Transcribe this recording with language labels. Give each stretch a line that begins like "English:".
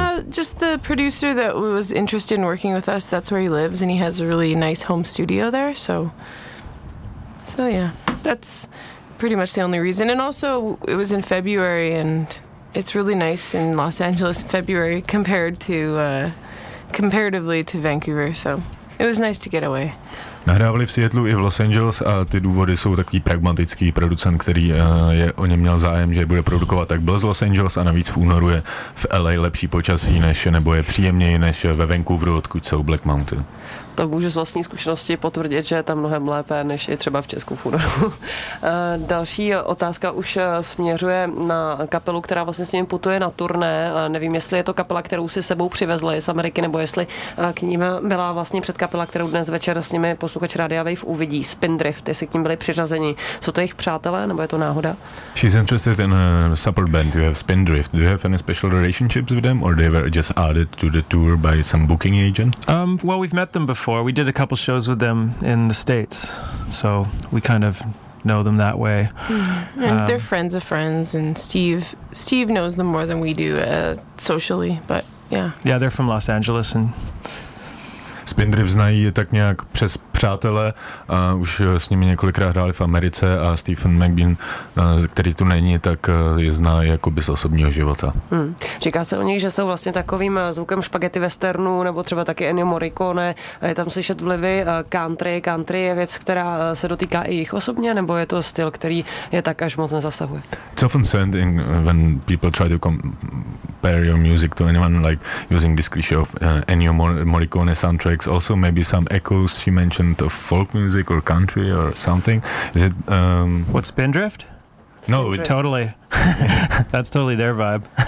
English: Just the producer that was interested in working with us. That's where he lives, and he has a really nice home studio there. So yeah, that's pretty much the only reason. And also, it was in February, and it's really nice in Los Angeles in February comparatively to Vancouver. So it was nice to get away.
Czech: Nahrávali v Seattlu i v Los Angeles a ty důvody jsou takový pragmatický. Producent, který je o něm měl zájem, že bude produkovat, tak byl z Los Angeles, a navíc v únoru je v LA lepší počasí, nebo je příjemněji než ve Vancouveru, odkud jsou Black Mountain. To můžu z vlastní zkušenosti potvrdit, že je tam mnohem lépe, než i třeba v Česku v únoru. Další otázka už směřuje na kapelu, která vlastně s ním putuje na turné. Nevím, jestli je to kapela, kterou si sebou přivezli z Ameriky, nebo jestli k ním byla vlastně předkapela, kterou dnes večer s nimi posluchač Radia Wave uvidí. Spindrift, jestli k ním byli přiřazeni. Jsou to jejich přátelé, nebo je to náhoda?
English: She's interested in a support band. You have Spindrift. Do you have any special relationships with them, or they were just added to the tour by some booking agent? Well, we've met them before. We did a couple shows with them in the States, so we kind of know them that way. Mm-hmm. And they're friends of friends, and Steve knows them more than we do socially, but yeah. Yeah, they're from Los Angeles. And
Czech: Spindrift znají tak nějak přes přátelé, už s nimi několikrát hráli v Americe a Stephen McBean, který tu není, tak je zná jakoby z osobního života. Hmm. Říká se o nich, že jsou vlastně takovým zvukem špagety westernu, nebo třeba taky Ennio Morricone, je tam slyšet vlivy country. Country je věc, která se dotýká i jich osobně, nebo je to styl, který je tak až moc nezasahuje?
English: It's often said in, when people try to compare your music to anyone, like using this cliche of Ennio Morricone soundtracks, also maybe some echoes she mentioned of folk music or country or something. Is it what, Spindrift? No, totally. That's totally their vibe.